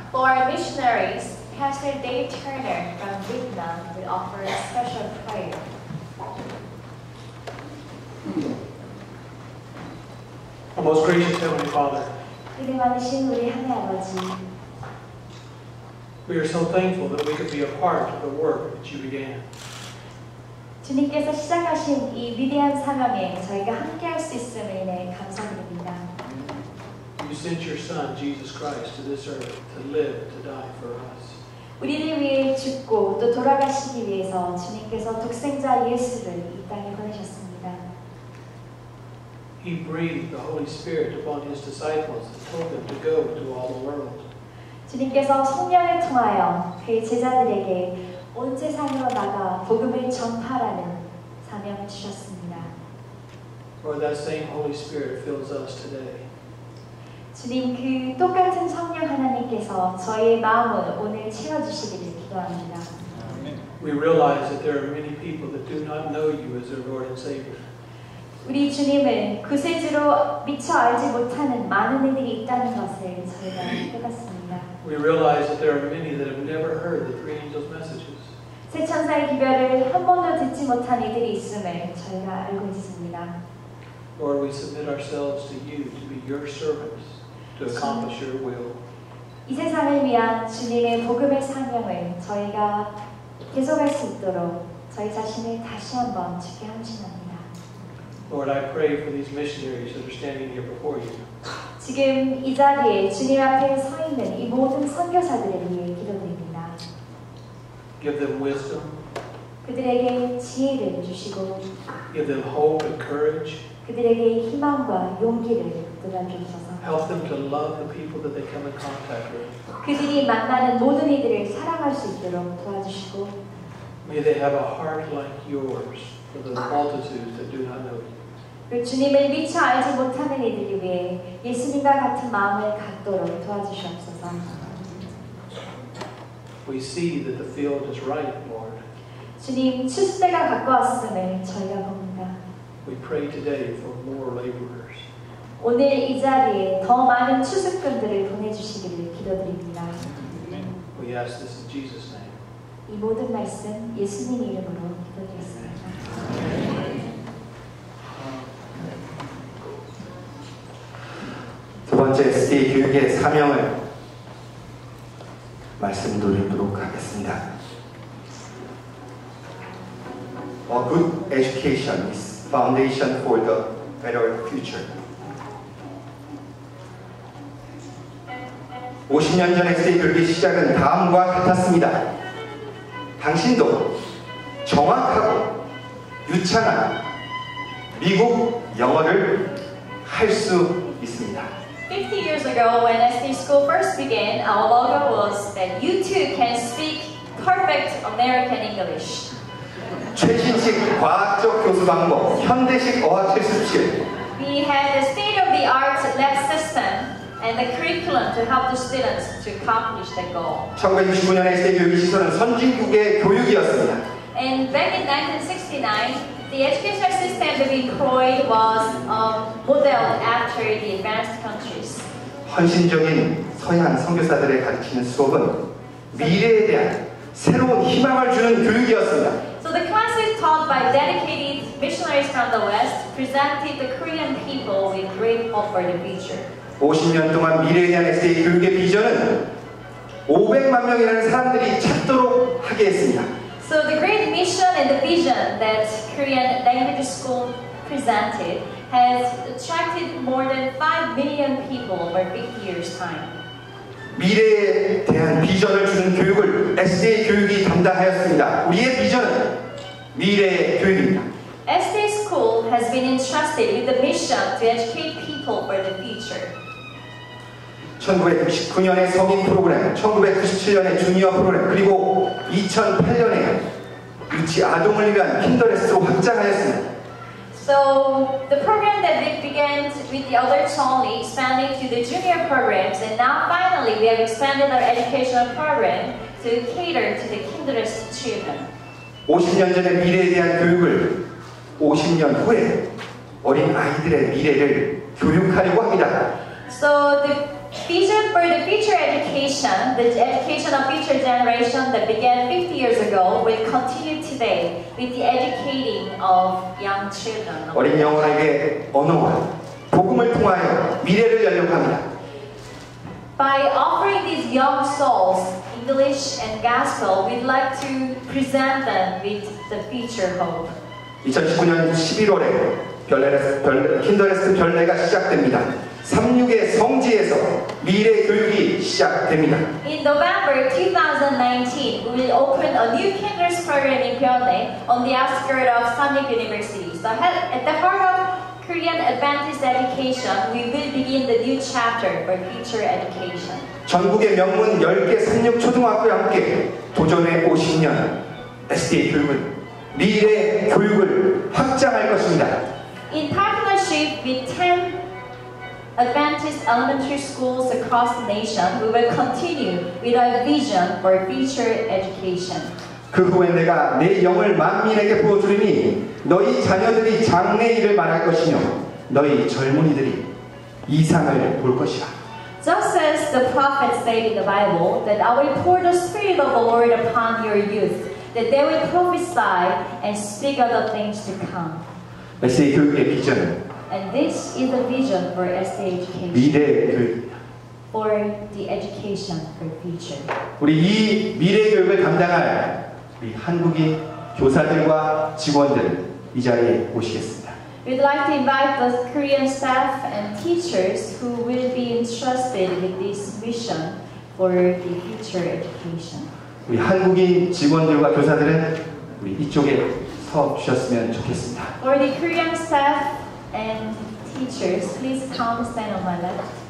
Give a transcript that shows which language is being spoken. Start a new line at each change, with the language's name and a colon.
English: For our missionaries, Pastor Dave Turner from Vietnam will offer a special prayer. 오 Most gracious Heavenly Father,
Korean: 우리 많으신 우리 하나님 아버지,
English: we are so thankful that we could be a part of the work that you began.
Korean: 주님께서 시작하신 이 위대한 사명에 저희가 함께할 수 있음을 인해 감사드립니다.
English: You sent your Son Jesus Christ to this earth to live, to die for us.
Korean: 우리를 위해 죽고 또 돌아가시기 위해서 주님께서 독생자 예수를 이 땅에 보내셨습니다.
English: He breathed the Holy Spirit upon his disciples and told them to go to all the world.
Korean: 주님께서 성령을 통하여 그의 제자들에게 온 세상으로 나가 복음을 전파라는 사명을 주셨습니다.
English: For that same Holy Spirit fills us today.
Korean: 주님, 그 똑같은 성령 하나님께서 저희의 마음을 오늘 채워주시기를 기도합니다.
English: We realize that there are many people that do not know you as their Lord and Savior.
Korean: 우리 주님은 구세주로 미처 알지 못하는 많은 이들이 있다는 것을 저희가 깨닫습니다.
English: We realize that there are many that have never heard the three angels' messages.
Korean: 새 천사의 기별을 한 번도 듣지 못한 이들이 있음을 저희가 알고 있습니다.
English: Lord, we submit ourselves to you to be your servants to accomplish your will.
Korean: 이 세상을 위한 주님의 복음의 사명을 저희가 계속할 수 있도록 저희 자신을 다시 한번 주께 헌신합니다.
English: Lord, I pray for these missionaries that are standing here before you.
Korean: 지금 이 자리에 주님 앞에 서 있는 이 모든 선교사들을 위해 기도드립니다.
English: Give them wisdom.
Korean: 그들에게 지혜를 주시고.
English: Give them hope and courage.
Korean: 그들에게 희망과 용기를 드러내주셔서.
English: Help them to love the people that they come in contact with.
Korean: 그들이 만나는 모든 이들을 사랑할 수 있도록 도와주시고.
English: May they have a heart like yours for the multitudes that do not know you.
Korean: 주님을 미처 알지 못하는 이들을 위해 예수님과 같은 마음을 갖도록 도와주시옵소서.
English: We see that the field is ripe, Lord.
Korean: 주님, 추수 때가 가까웠음을 저희가 봅니다.
English: We pray today for more laborers.
Korean: 오늘 이 자리에 더 많은 추수꾼들을 보내주시기를 기도드립니다.
English: We ask this in Jesus' name.
Korean: 이 모든 말씀 예수님 이름으로 기도드렸습니다. SD 교육의 사명을 말씀드리도록 하겠습니다.
English: A good education is foundation for the better future.
Korean: 50년 전 SD 교육의 시작은 다음과 같았습니다. 당신도 정확하고 유창한 미국 영어를 할 수 있습니다.
English: 50 years ago, when SD School first began, our logo was that you too can speak perfect American English.
Korean: 최신식 과학적 교수 방법, 현대식 어학 실습실.
English: We had a state-of-the-art lab system and the curriculum to help the students to accomplish that goal.
Korean: 1969년 SD 교육 시설은 선진국의 교육이었습니다.
English: And back in 1969, the educational system that we employed was modeled after the advanced countries.
Korean: 헌신적인 서양 선교사들의 가르치는 수업은 미래에 대한 새로운 희망을 주는 교육이었습니다.
English: So the classes taught by dedicated missionaries from the West presented the Korean people with great hope for the future.
Korean: 50년 동안 미래에 대한 SD 교육의 비전은 500만 명이라는 사람들이 찾도록 하게 했습니다.
English: So the great mission and the vision that Korean Language School presented has attracted more than 5 million people over 50 years' time.
Korean: 미래에 대한 비전을 주는 교육을 SDA 교육이 담당하였습니다. 우리의 비전은 미래의 교육입니다.
English: SDA School has been entrusted with the mission to educate people for the future.
Korean: 1999년의 성인 프로그램, 1997년의 주니어 프로그램, 그리고 2008년에 유치 아동을 위한 킨더레스로 확장하였습니다.
English: So the program that we began with the adults only expanded to the junior programs and now finally we have expanded our educational program to cater to the kinderless children.
Korean: 50년 전의 미래에 대한 교육을 50년 후에 어린 아이들의 미래를 교육하려고 합니다.
English: So the vision for the future education, the education of future generation that began 50 years ago will continue today with the educating of young children.
Korean: 어린 영혼에게 언어와 복음을 통하여 미래를 열려고 합니다.
English: By offering these young souls English and gospel, we'd like to present them with the future hope.
Korean: 2019년 11월에 킨더레스 별내가 시작됩니다. 36의 성지에서 미래 교육이 시작됩니다.
English: In November 2019, we will open a new kinders program in Pyeongdae on the outskirts of Samyuk University. So at the heart of Korean Adventist education, we will begin the new chapter for future education.
Korean: 전국의 명문 10개 36 초등학교와 함께 도전해 50년 SDA 교육은 미래 교육을 확장할 것입니다.
English: In partnership with 10 Adventist elementary schools across the nation, we will continue with our vision for future education.
Korean: 그 후에 내가 내 영을 만민에게 부어주리니 너희 자녀들이 장래 일을 말할 것이며 너희 젊은이들이 이상을 볼 것이야.
English: Just as the prophet said in the Bible, that I will pour the spirit of the Lord upon your youth, that they will prophesy and speak of the things to come.
Korean: 역시 교육의 비전은
English: And this is the vision for SDA education.
Korean: 미래 교육.
English: For the education for future.
Korean: 우리 이 미래 교육을 담당할 우리 한국인 교사들과 직원들 이 자리에 오시겠습니다.
English: We'd like to invite the Korean staff and teachers who will be entrusted with this mission for the future education.
Korean: 우리 한국인 직원들과 교사들은 우리 이쪽에 서 주셨으면 좋겠습니다.
English: For the Korean staff and teachers, please come stand on my left.